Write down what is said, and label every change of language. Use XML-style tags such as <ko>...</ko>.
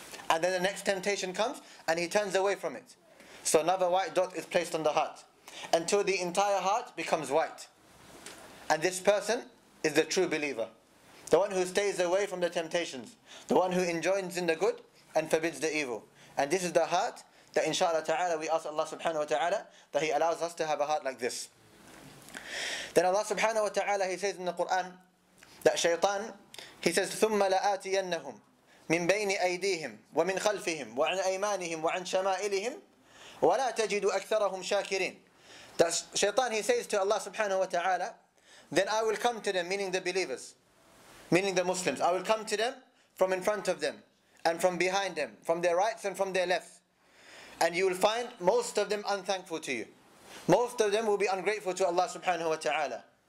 <en>And then the next temptation comes, and he turns away from it. So another white dot is placed on the heart, until the entire heart becomes white. And this person is the true believer, the one who stays away from the temptations, the one who enjoins in the good and forbids the evil. And this is the heart that inshallah ta'ala we ask Allah subhanahu wa ta'ala that He allows us to have a heart like this. Then Allah subhanahu wa ta'ala, He says in the Quran that shaytan, He says,</en> <ar>ثُمَّ لَآتِيَنَّهُمْ مِنْ بَيْنِ أَيْدِيهِمْ وَمِنْ خَلْفِهِمْ وَعَنْ أَيْمَانِهِمْ وَعَنْ شَمَائِلِهِمْ وَلَا تَجِدُ أَكْثَرَهُمْ شَاكِرِينَ.</ar> <en>That shaytan, He says to Allah subhanahu wa ta'ala, then I will come to them, meaning the believers, meaning the Muslims, I will come to them from in front of them and from behind them, from their rights and from their left. And you will find most of them unthankful to you. Most of them will be ungrateful to Allah subhanahu wa ta'ala.</en>